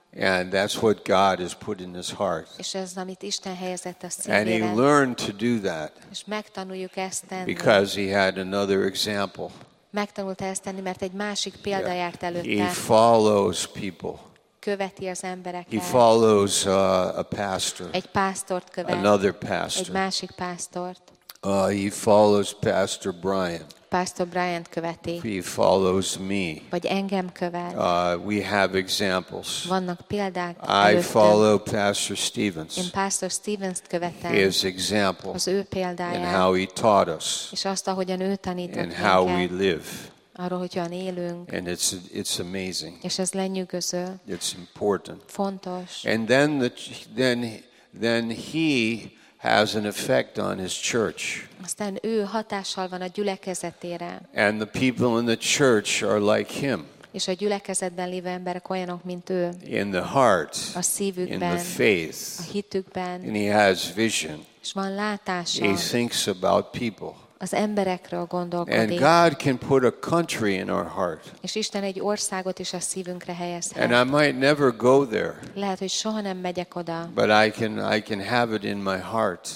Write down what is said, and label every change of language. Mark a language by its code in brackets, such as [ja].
[en] And that's what God has put in his heart. [hu] És ez, amit Isten helyezett a szívére. [en] And he learned to do that. [hu] És megtanuljuk ezt tenni. [en] Because he had another example. [hu] Megtanulta ezt tenni, mert egy másik példa járt előtte. [en] He follows people. [hu] Követi az embereket. [en] He follows a pastor. [hu] Egy pásztort követ. [en] Another pastor. [hu] Egy másik pásztort. [en] He follows Pastor Brian. [hu] Pastor Bryant követi. [en] He follows me. [hu] Vagy engem követ. [en] We have examples. [hu] Vannak példák. [en] I follow Pastor Stevens. [hu] Én Pastor Stevens-t követem. [en] His example. [hu] Az ő példáját. [en] And how he taught us. [hu] És azt, ahogyan ő tanított minket. [en] And how we live. [hu] Arról, hogyan élünk. [en] And it's amazing. [hu] És ez lenyűgöző. [en] It's important. [hu] Fontos. [en] And then he has an effect on his church. [hu] Aztán ő hatással van a gyülekezetére. [en] And the people in the church are like him. [hu] És a gyülekezetben lévő emberek olyanok, mint ő. [en] In the heart. [hu] A szívükben. [en] In the faith. [hu] A hitükben. [en] And he has vision. [hu] És van látása. [en] He thinks about people. [hu] Az emberekről gondolkodik. [en] And God can put a country in our heart. [hu] És Isten egy országot is a szívünkre helyezhet. [en] And I might never go there. [hu] Lehet, hogy soha nem megyek oda. [en] But I can have it in my heart.